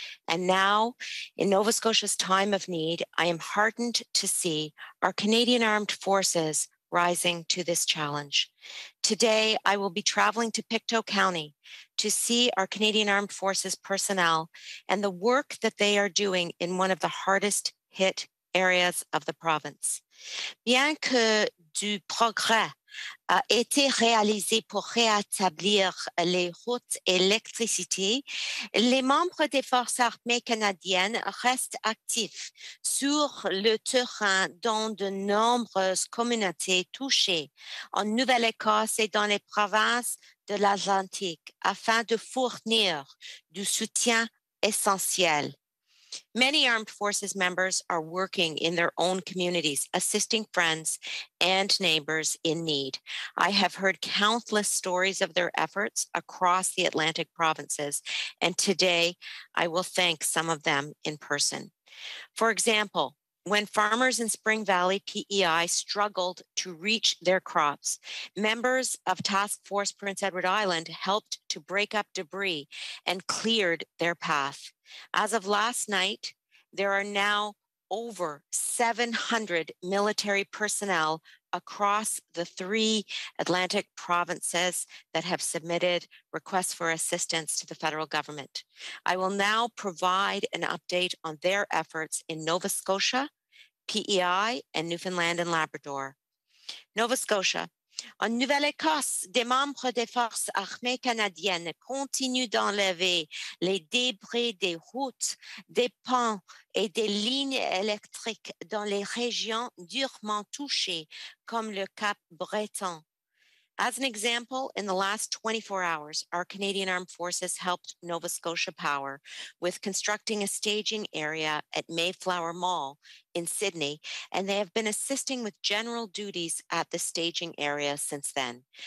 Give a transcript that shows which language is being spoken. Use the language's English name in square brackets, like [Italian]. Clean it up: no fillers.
[English] And now, in Nova Scotia's time of need, I am heartened to see our Canadian Armed Forces rising to this challenge. Today, I will be traveling to Pictou County to see our Canadian Armed Forces personnel and the work that they are doing in one of the hardest hit areas of the province. [French] Bien que du progrès a été réalisé pour rétablir les routes et l'électricité, les membres des forces armées canadiennes restent actifs sur le terrain dans de nombreuses communautés touchées en Nouvelle-Écosse et dans les provinces de l'Atlantique afin de fournir du soutien essentiel. [English] Many armed forces members are working in their own communities, assisting friends and neighbors in need. I have heard countless stories of their efforts across the Atlantic provinces, and today I will thank some of them in person. For example, when farmers in Spring Valley PEI struggled to reach their crops, members of Task Force Prince Edward Island helped to break up debris and cleared their path. As of last night, there are now over 700 military personnel across the three Atlantic provinces that have submitted requests for assistance to the federal government. I will now provide an update on their efforts in Nova Scotia, PEI, and Newfoundland and Labrador. Nova Scotia. [French] En Nouvelle-Écosse, des membres des forces armées canadiennes continuent d'enlever les débris des routes, des ponts et des lignes électriques dans les régions durement touchées, comme le Cap Breton. [English] As an example, in the last 24 hours, our Canadian Armed Forces helped Nova Scotia Power with constructing a staging area at Mayflower Mall in Sydney, and they have been assisting with general duties at the staging area since then.